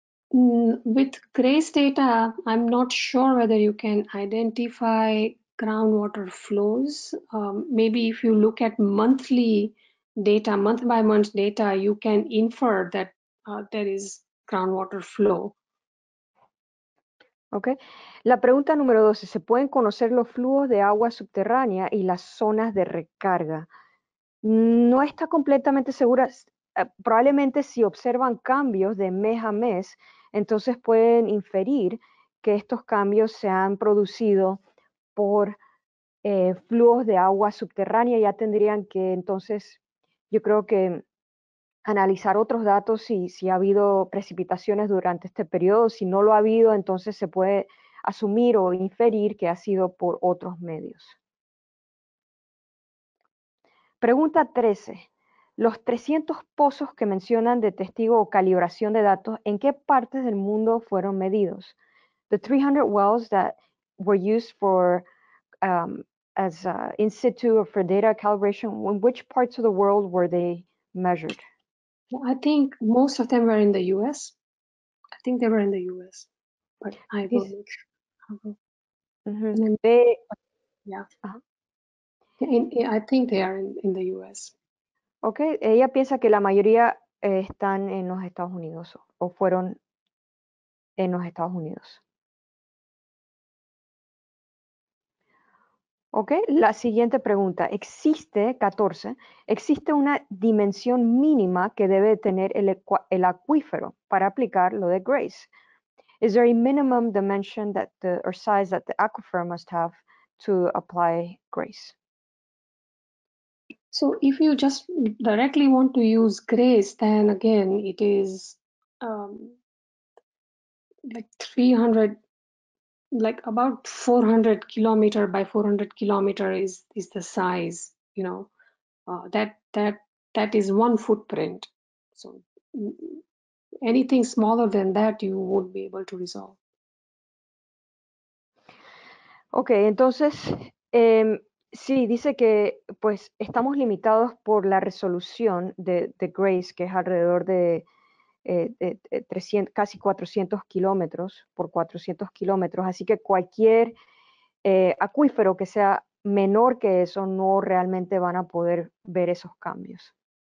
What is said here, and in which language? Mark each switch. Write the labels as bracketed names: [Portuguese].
[English] With GRACE data, I'm not sure whether you can identify groundwater flows. Maybe if you look at monthly data, month by month data, you can infer that there is groundwater flow. Okay. [Spanish] La pregunta número 12, ¿se pueden conocer los flujos de agua subterránea y las zonas de recarga? No está completamente segura. Probablemente si observan cambios de mes a mes, entonces pueden inferir que estos cambios se han producido por flujos de agua subterránea. Ya tendrían que entonces, yo creo que analizar otros datos si ha habido precipitaciones durante este periodo. Si no lo ha habido, entonces se puede asumir o inferir que ha sido por otros medios. Pregunta 13. Los 300 pozos que mencionan de testigo o calibración de datos, ¿en qué partes del mundo fueron medidos? [English] The 300 wells that were used for as an institute for data calibration, in which parts of the world were they measured? I think most of them were in the US. I think they were in the US. But I will make sure. Mm-hmm. They, I think they are in the US. [Spanish] Okay, ella piensa que la mayoría están en los Estados Unidos o fueron en los Estados Unidos. Okay, la siguiente pregunta. Existe, 14, ¿existe una dimensión mínima que debe tener el acuífero para aplicar lo de GRACE? [English] Is there a minimum dimension that the, or size that the aquifer must have to apply GRACE? So if you just directly want to use GRACE, then again, it is like 300, like about 400 kilometer by 400 kilometer is the size, you know, that is one footprint. So anything smaller than that, you won't be able to resolve. [Spanish] Okay, entonces, sí, dice que pues estamos limitados por la resolución de GRACE, que es alrededor de 300, casi 400 kilómetros por 400 kilómetros. Así que cualquier acuífero que sea menor que eso no realmente van a poder ver esos cambios.